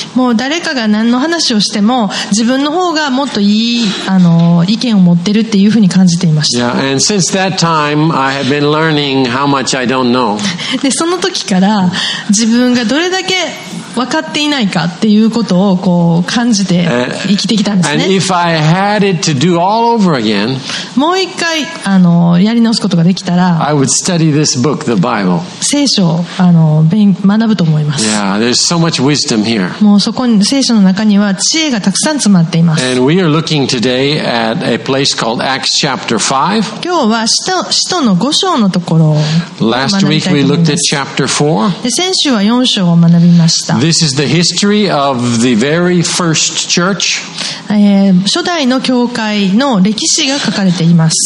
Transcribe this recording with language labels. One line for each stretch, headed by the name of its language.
Japanese: もう誰かが何の話をしても、自分の方がもっといい意見を持ってるっていうふうに感じていました。
English: Yeah, and since that time, I have been learning how much I don't know.
Japanese: で、その時から自分がどれだけ分かっていないかっていうことをこう感じて生きてきたんですね。
English: And if I had it to do all over again,
Japanese: もう一回やり直すことができたら、
English: I would study this book, the Bible.
Japanese: 聖書を学ぶと思います。
English: Yeah, there's so much wisdom here.
Japanese: もうそこに聖書の中には知恵がたくさん詰まっています。
English: And we are looking today at a place called Acts chapter 5.
Japanese: 今日は使徒の五章のところを学びたいと思います。
English: Last week we looked at chapter 4.
Japanese: 先週は四章を学びました。
English: This is the history of the very first church.
Japanese: 初代の教会の歴史が書かれています。